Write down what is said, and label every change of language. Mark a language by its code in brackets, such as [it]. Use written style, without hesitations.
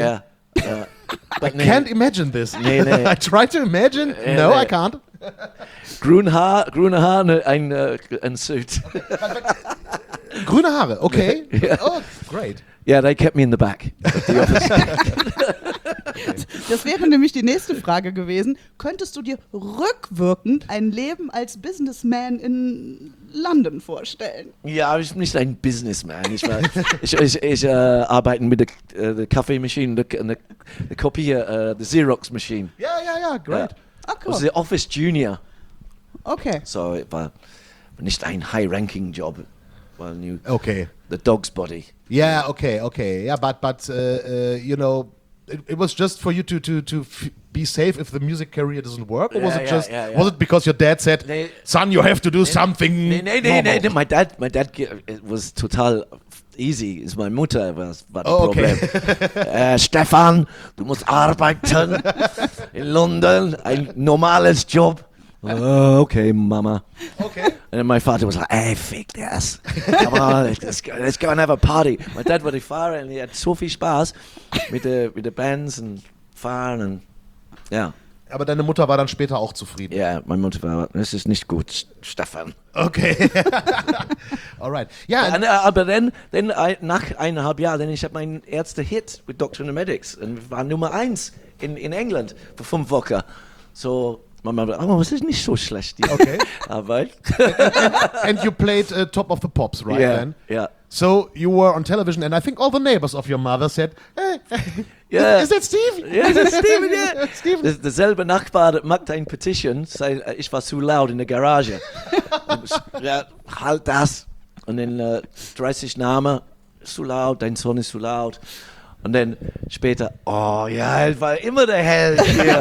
[en] Yeah. But I can't imagine this. [de] Nee, nee. [en] I try to imagine. I can't. [de] Grüne Haare, ein Suit. Grüne Haare, okay. [en] Yeah. Oh, great. Yeah, they kept me in the back. The [de] Das wäre nämlich die nächste Frage gewesen. Könntest du dir rückwirkend ein Leben als Businessman in London vorstellen? Ja, ich bin nicht ein Businessman. Ich arbeite mit der Kaffeemaschine, der Kopier, der Xerox-Maschine. [en] Ja, great. Ah, cool. [de] Das ist der Office Junior. [en] Okay. [de] So, es war nicht ein High-Ranking-Job. [en] Okay. The dog's body. Yeah, okay. Yeah, but you know, it was just for you to be safe if the music career doesn't work? Or was it was it because your dad said, son, you have to do something normal? My dad, it was total easy. It's my mother was the problem. Okay. [de] Stefan, du musst arbeiten in London, ein normales Job. Okay, Mama. [en] Okay. And then my father was like, hey, [de] fick das. [en] Come on, let's go and have a party. My dad would be fahren and he had [de] so viel Spaß mit [en] the bands and fahren and, yeah. [de] Aber deine Mutter war dann später auch zufrieden. Ja, yeah, meine Mutter war, das ist nicht gut, Stefan. [en] Okay. Alright. Ja. [de] Aber dann nach eineinhalb Jahren, dann ich habe meinen ersten Hit mit Doctor and the Medics und war Nummer 1 in England für 5 Wochen. So... Mama, aber es ist nicht so schlecht, die [en] okay. [de] Arbeit. [en] And you played Top of the Pops, right? Yeah, then? Yeah. So you were on television, and I think all the neighbors of your mother said, hey, yeah. Is that Steve? Yeah, is that Steve? Yeah. Steve. [de] Derselbe Nachbar macht ein Petition, sei ich war zu laut in der Garage. Ja, halt das. Und dann 30 Namen, zu laut, dein Sohn ist zu laut. Und dann später, oh ja, ich war immer der Held hier.